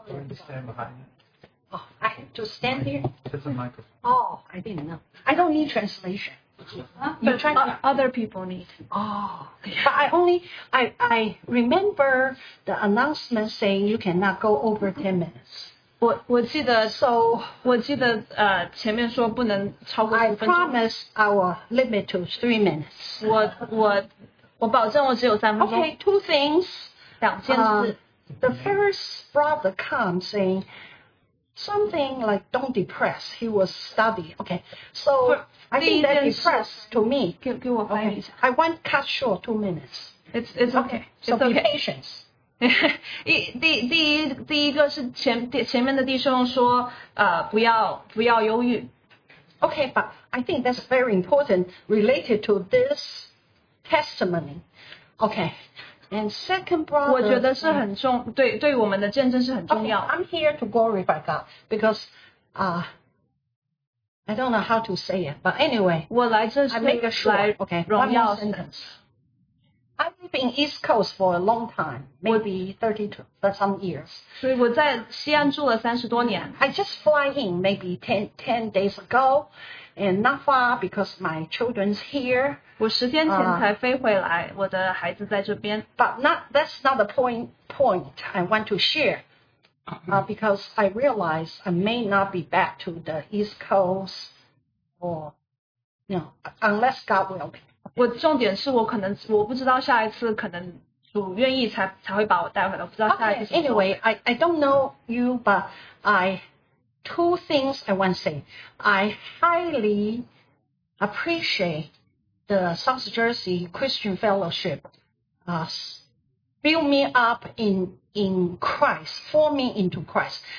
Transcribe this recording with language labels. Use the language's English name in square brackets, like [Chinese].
[English] Can you stand behind me? Oh, I have to stand here? It's a microphone. Oh, I didn't know. I don't need translation. Huh? But other people need. Oh, but I remember the announcement saying you cannot go over 10 minutes. [Chinese] 我记得前面说不能超过五分钟。 [English] I promise I will limit to 3 minutes. [Chinese] 我保证我只有三分钟。 [English] Okay, two things. [Chinese] 两件事。 [English] The first brother comes saying something like don't depress. He was studying. Okay, so I think that depressed to me. [Chinese] 给我翻译一下。 [English] Okay, I want cut short 2 minutes. It's okay. So be patient. [Chinese] 第一个是前面的弟兄说不要忧郁。 [English] Okay, but I think that's very important related to this testimony. Okay. And second brother, [Chinese] 我觉得是很重对我们的见证是很重要。 [English] Okay, I'm here to glorify God because I don't know how to say it, but anyway, [Chinese] 我来这是 [English] I make a short, okay, one sentence. I live in East Coast for a long time, maybe 30 to some years. [Chinese] 所以我在西安住了30多年。 [English] I just fly in maybe 10 days ago, and not far because my children's here. [Chinese] 我十天前才飞回来，我的孩子在这边。 [English] But that's not the point I want to share. Because I realize I may not be back to the East Coast or, you know, unless God will be. [Chinese] 我重点是我可能我不知道下一次可能主愿意才会把我带回来，我不知道下一次。 [English] Okay, anyway, I don't know you, but I two things I want to say. I highly appreciate the South Jersey Christian Fellowship build me up in Christ, form me into Christ.